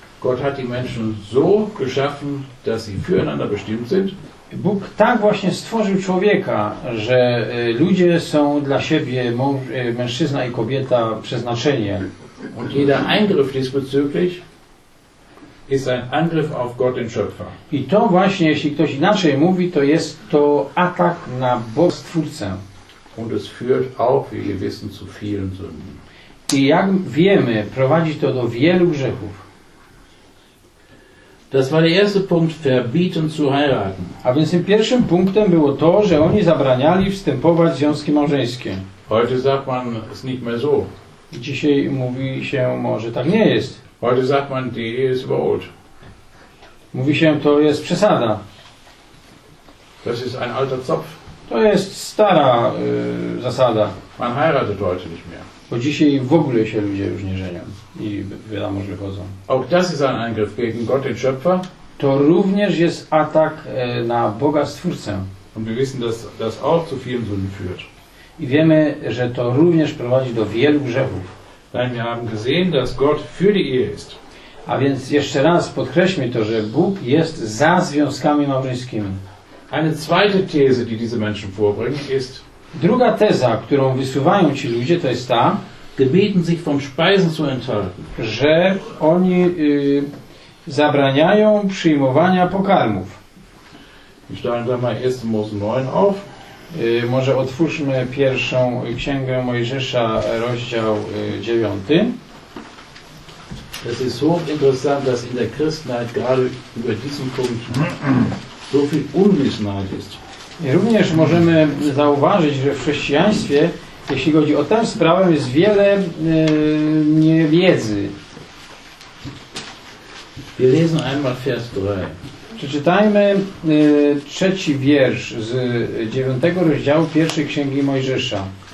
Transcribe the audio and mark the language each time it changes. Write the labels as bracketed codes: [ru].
[de] Gott hat die Menschen so geschaffen, dass sie füreinander bestimmt sind. [pl] Bóg tak właśnie stworzył człowieka, że ludzie są dla siebie, mężczyzna i kobieta, przeznaczenie. [de] Und jeder Eingriff diesbezüglich ist ein Angriff auf Gott, den Schöpfer. [pl] I to właśnie, jeśli ktoś inaczej mówi, to jest to atak na Boga, Stwórcę. [de] Und es führt auch, wie wir wissen, zu vielen Sünden. [pl] I jak wiemy, prowadzi to do wielu grzechów. [de] Das war der erste Punkt, verbieten zu heiraten. [pl] A więc tym pierwszym punktem było to, że oni zabraniali wstępować w związki małżeńskie. [de] Heute sagt man es nicht mehr so. [pl] I dzisiaj mówi się, może tak nie jest. [de] Heute sagt man, die Ehe ist überholt. [pl] Mówi się, to jest przesada. [de] Das ist ein alter Zopf. [pl] To jest stara zasada. [de] Man heiratet heute nicht mehr. [pl] Bo dzisiaj w ogóle się ludzie już nie żenią i wiadomo, że wychodzą. [de] Auch das ist ein Angriff gegen Gott, den Schöpfer. [pl] To również jest atak na Boga, Stwórcę. [de] Und wir wissen, dass das auch zu vielen Sünden führt. [pl] I wiemy, że to również prowadzi do wielu grzechów. [de] Nein, wir haben gesehen, dass Gott für die Ehe ist. [pl] A więc jeszcze raz podkreślmy to, że Bóg jest za związkami małżeńskimi. [de] Eine zweite These, die diese Menschen vorbringen, ist: [pl] druga teza, którą wysuwają ci ludzie, to jest ta, [de] gebieten sich vom Speisen zu enthalten, [pl] że oni zabraniają przyjmowania pokarmów. [de] Ich stelle da mal 1. Mose 9 auf. [pl] Może otwórzmy pierwszą księgę Mojżesza, rozdział 9. [de] Es ist hochinteressant, dass in der Christenheit gerade über diesen Punkt so viel Unwissenheit ist. [pl] I również możemy zauważyć, że w chrześcijaństwie, jeśli chodzi o tę sprawę, jest wiele niewiedzy. [de] Wir lesen einmal Vers 3. [pl] Przeczytajmy trzeci wiersz z 9 rozdziału pierwszej księgi Mojżesza.